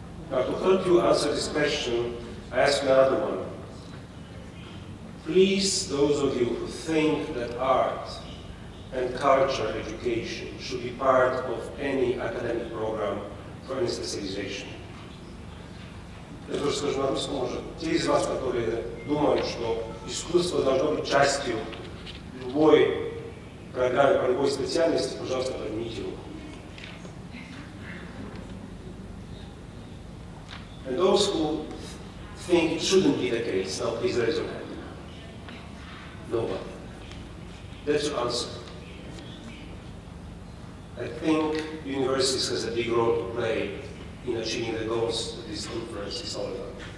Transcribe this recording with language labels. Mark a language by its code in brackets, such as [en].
[en] Now to help you answer this question, I ask you another one. Please, those of you who think that art and culture education should be part of any academic program for any specialization. [ru] Я тоже скажу на русском, может, те из вас, которые думают, что искусство должно быть частью любой программы по любой специальности, пожалуйста, поднимите его. [en] And those who think it shouldn't be the case, now please raise your hand. Nobody. That's your answer. I think universities has a big role to play in achieving the goals that this conference is all about.